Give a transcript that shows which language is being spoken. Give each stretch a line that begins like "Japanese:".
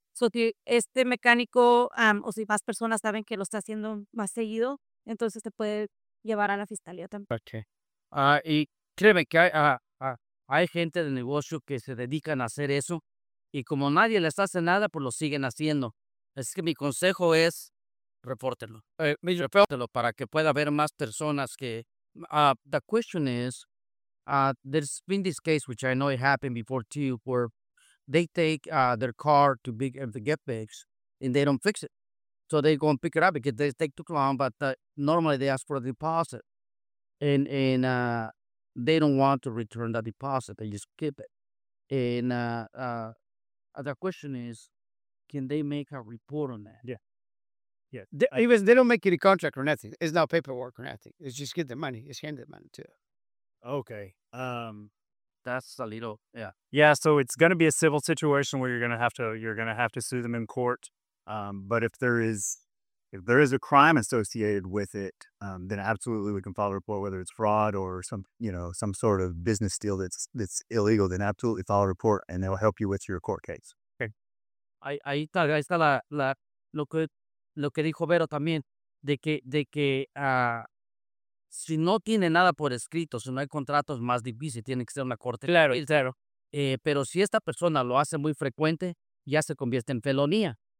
Spanish: So, si este mecánico o si más personas saben que lo está haciendo más seguido, entonces te puede llevar a la fiscalía también. Ok. Y créeme que hay gente de negocio que se dedican a hacer eso y como nadie les hace nada, pues lo siguen haciendo. Así que mi consejo es repórtelo. Repórtelo para que pueda haber más personas que...
English: the question is, there's been this case, which I know it happened before too, where they take their car to big the get fixed and they don't fix it. So they go and pick it up because they take too long, but normally they ask for a deposit. And they don't want to return that deposit. They just keep it. And the question is, can they make a report on that? Yeah. Yeah. They don't make you the contract or nothing. It's not paperwork or nothing. It's just get the money. It's hand the money to. Okay. That's a little, yeah. Yeah, so it's going to be a civil situation where you're going to have to sue them in court. But if there is a crime associated with it, then absolutely we can file a report, whether it's fraud or some sort of business deal that's illegal, then absolutely file a report and they'll help you with your court case. Okay.
Spanish: Ahí está lo que dijo Vero también, de que si no tiene nada por escrito, si no hay contratos, más difícil, tiene que ser una corte. Claro, claro. Pero si esta persona lo hace muy frecuente, ya se convierte en felonía.